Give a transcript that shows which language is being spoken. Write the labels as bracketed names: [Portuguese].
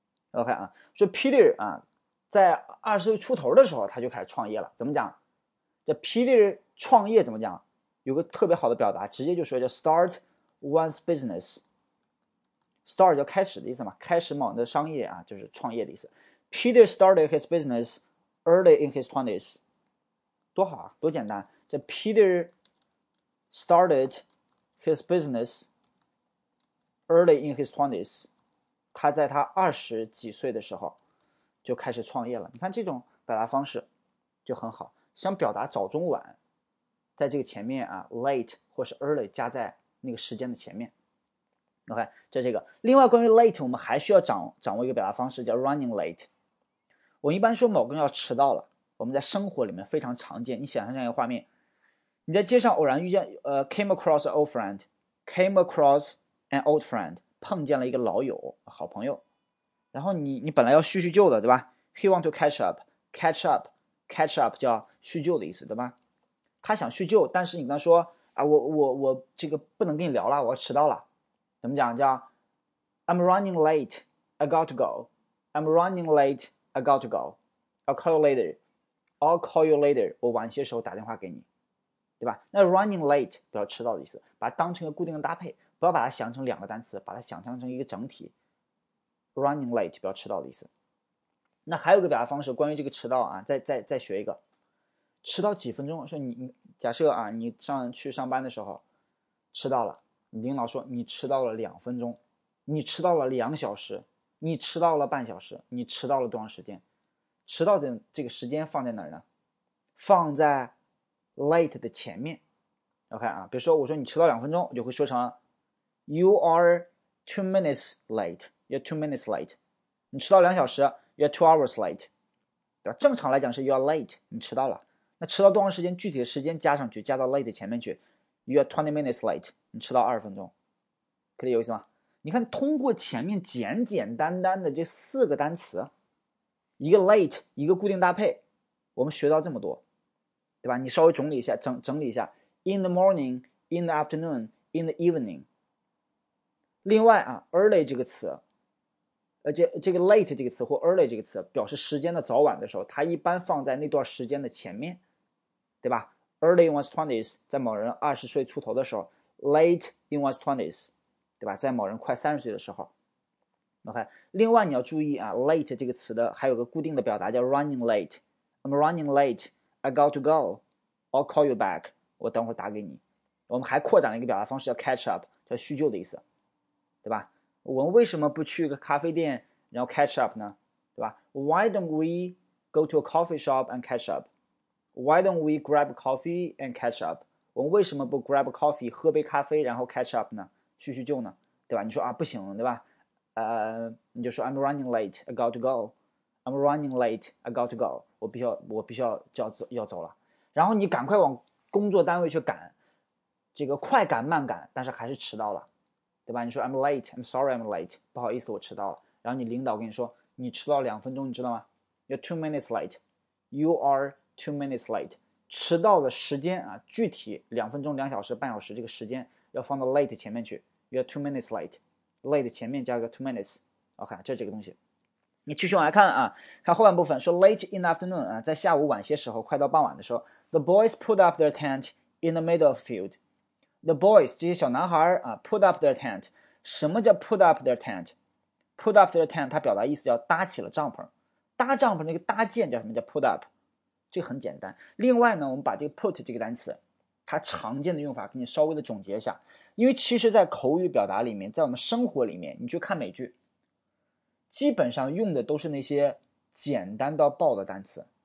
[Chinese] OK 啊，说 Peter 啊，在20岁出头的时候他就开始创业了。怎么讲？这 Peter 创业怎么讲？有个特别好的表达，直接就说叫 [English] "start one's business"。 [Chinese] Start 就开始的意思嘛，开始某人的商业啊，就是创业的意思。 [English] Peter started his business early in his twenties。 [Chinese] 多好啊，多简单！这 [English] Peter started his business early in his twenties。 [Chinese] 他在他20几岁的时候就开始创业了。你看这种表达方式就很好，想表达早中晚，在这个前面啊，late 或是 early 加在那个时间的前面。 OK，这个。另外，关于 late，我们还需要掌握一个表达方式叫 running late。我一般说某个人要迟到了，我们在生活里面非常常见。你想象一下一个画面，你在街上偶然遇见， [English] came across an old friend， [Chinese] came across an old friend。碰见了一个老友、好朋友，然后你本来要叙叙旧的，对吧？ [English] He want to catch up， [Chinese] catch up，catch up 叫叙旧的意思，对吧？他想叙旧，但是你跟他说啊，我这个不能跟你聊了，我要迟到了。怎么讲？ [English] 叫 I'm running late, I got to go. I'm running late, I got to go. I'll call you later. I'll call you later. [Chinese] 我晚些时候打电话给你，对吧？那 running late 表示迟到的意思，把它当成一个固定的搭配，不要把它想成两个单词，把它想象成一个整体。 running late 表示迟到的意思。那还有个表达方式，关于这个迟到啊，再学一个。迟到几分钟，说你假设啊，你上班的时候迟到了，你领导说你迟到了2分钟，你迟到了2小时，你迟到了半小时，你迟到了多长时间？迟到的这个时间放在哪儿呢？放在 late 的前面。 OK 啊，比如说我说你迟到2分钟，我就会说成 [English] You are 2 minutes late. You're 2 minutes late. [Chinese] 你迟到2小时， [English] You're 2 hours late. [Chinese] 对吧？正常来讲是 [English] You're late， [Chinese] 你迟到了。那迟到多长时间？具体的时间加上去，加到 late 前面去。 [English] You're 20 minutes late， [Chinese] 你迟到20分钟，可以有意思吗？你看，通过前面简简单单的这四个单词，一个 late，一个固定搭配，我们学到这么多，对吧？你稍微整理一下，整理一下： [English] in the morning、in the afternoon、in the evening。 [Chinese] 另外啊，early 这个词，这个 late 这个词或 early 这个词，表示时间的早晚的时候，它一般放在那段时间的前面，对吧？ [English] Early in one's twenties， [Chinese] 在某人20岁出头的时候； [English] late in one's twenties，对吧？ [Chinese] 在某人快30岁的时候。 OK，另外你要注意啊，late 这个词的还有个固定的表达叫 running late， [English] I'm running late，I got to go，I'll call you back， [Chinese] 我等会儿打给你。我们还扩展了一个表达方式叫 catch up，叫叙旧的意思，对吧？我们为什么不去一个咖啡店然后 catch up 呢？对吧？ [English] Why don't we go to a coffee shop and catch up？ Why don't we grab coffee and catch up？ [Chinese] 我们为什么不 grab coffee 喝杯咖啡，然后 catch up 呢？叙叙旧呢？对吧？你说啊，不行，对吧？你就说 [English] I'm running late, I got to go. I'm running late, I got to go. [Chinese] 我必须要要走了。然后你赶快往工作单位去赶，这个快赶慢赶，但是还是迟到了，对吧？你说 [English] I'm late, I'm sorry, I'm late. [Chinese] 不好意思，我迟到了。然后你领导跟你说你迟到2分钟，你知道吗？ [English] You're 2 minutes late. You are Two minutes late， [Chinese] 迟到的时间啊，具体2分钟、2小时、半小时这个时间要放到 late 前面去。 [English] You are 2 minutes late，late [Chinese] 前面加个 [English] 2 minutes。 [Chinese] OK，这几个东西，你继续往下看啊，看后半部分，说 [English] late in the afternoon [Chinese] 啊，在下午晚些时候，快到傍晚的时候， [English] the boys put up their tent in the middle of field。 The boys [Chinese] 这些小男孩啊， [English] put up their tent。 [Chinese] 什么叫 put up their tent？ [English] Put up their tent [Chinese] 它表达意思叫搭起了帐篷，搭帐篷那个搭建叫什么叫 put up？ 这个很简单。另外呢，我们把这个 put 这个单词，它常见的用法给你稍微的总结一下。因为其实，在口语表达里面，在我们生活里面，你去看美剧，基本上用的都是那些简单到爆的单词。